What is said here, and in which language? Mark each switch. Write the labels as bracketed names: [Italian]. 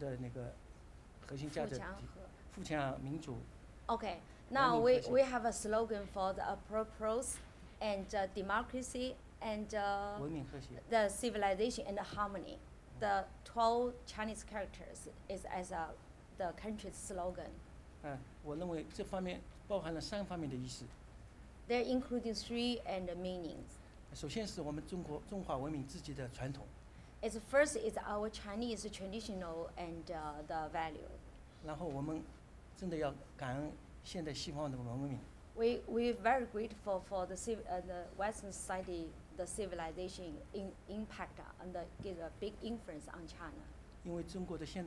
[Chinese] 我们现在提出，中国提出富强、民主、文明、和谐，这等等等等，就是差不多12个词的那个核心价值。富强民主 [English] Okay, now we have a slogan for the purpose and democracy and [Chinese] 文明和谐 [English] the civilization and the harmony. The 12 Chinese characters is as the country's slogan. [Chinese] 我认为这方面包含了3方面的意思. [English] They're including 3 and meanings. [Chinese] 首先是我们中华文明自己的传统. [English] It's first is our Chinese traditional and the value. [Chinese] 然后我们 [English] We very grateful for the Western society, the civilization impact and give a big influence on China.